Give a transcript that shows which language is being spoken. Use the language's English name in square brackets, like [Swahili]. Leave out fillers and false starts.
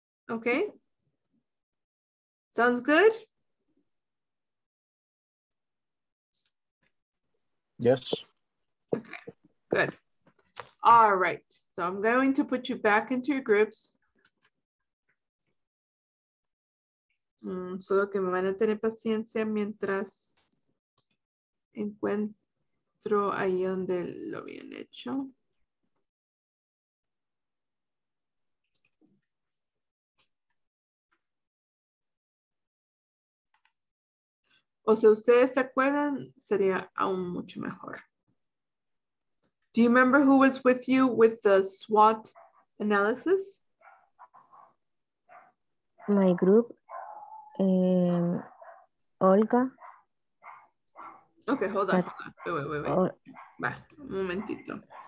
[English] Okay. Sounds good? Yes. Okay, good. All right. So I'm going to put you back into your groups. [Spanish] Solo que me van a tener paciencia mientras encuentro ahí donde lo habían hecho. O si ustedes se acuerdan, sería aún mucho mejor. [English] Do you remember who was with you with the SWOT analysis? My group. Olga. Okay, hold on. Wait. [Spanish] Va, un momentito.